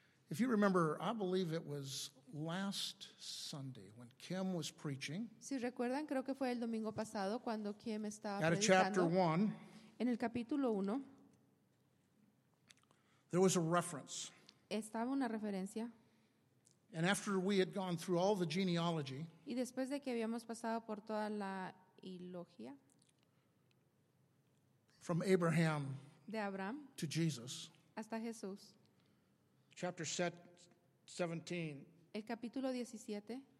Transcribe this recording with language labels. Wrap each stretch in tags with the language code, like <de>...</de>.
<en>If you remember, I believe it was last Sunday when Kim was preaching.</en> <es>Si recuerdan, creo que fue el domingo pasado cuando Kim estaba predicando.</es> <en>At chapter 1.</en> <es>En el capítulo 1.</es> <en>There was a reference.</en> <es>Estaba una referencia.</es> <en>And after we had gone through all the genealogy.</en> <es>Y después de que habíamos pasado por toda la ilogía.</es> <en>From Abraham.</en> <es>De Abraham.</es> <en>To Jesus.</en> <es>Hasta Jesús.</es> <en>Chapter 17.</en> <es>El capítulo 17.</es>